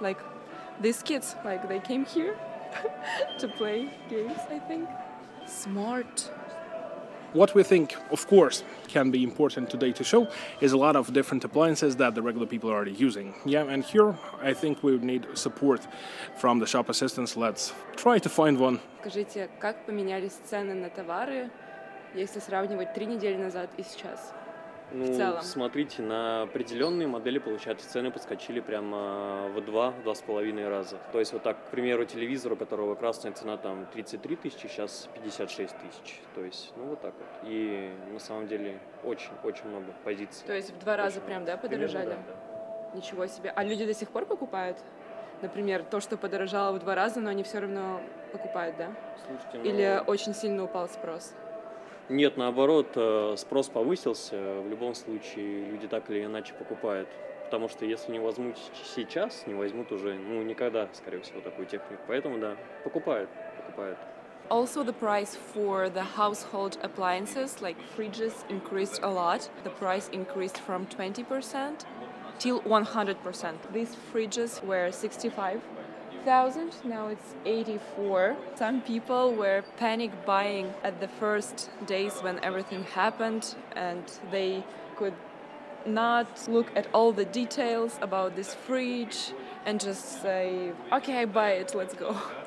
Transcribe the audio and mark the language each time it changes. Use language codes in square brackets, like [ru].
[en] Like, these kids, like, they came here to play games, I think. Smart. What we think, of course, can be important today to show is a lot of different appliances that the regular people are already using. Yeah, and here I think we would need support from the shop assistants. Let's try to find one. [ru] Скажите, как поменялись цены на товары, если сравнивать 3 недели назад и сейчас? Ну, смотрите, на определенные модели, получается, цены подскочили прямо в 2-2,5 раза. То есть вот так, к примеру, телевизору, у которого красная цена там 33 тысячи, сейчас 56 тысяч. То есть, ну, вот так вот. И на самом деле очень-очень много позиций. То есть в 2 раза прям, да, подорожали? Примерно, да. Ничего себе. А люди до сих пор покупают? Например, то, что подорожало в 2 раза, но они все равно покупают, да? Слушайте, ну... Или очень сильно упал спрос? Нет, наоборот, спрос повысился, в любом случае люди так или иначе покупают, потому что если не возьмут сейчас, не возьмут уже, ну, никогда, скорее всего, такую технику, поэтому, да, покупают. [en] Also, the price for the household appliances, like fridges, increased a lot. The price increased from 20% till 100%. These fridges were 65,000, now it's 84. Some people were panic buying at the first days when everything happened and they could not look at all the details about this fridge and just say, okay, I buy it, let's go.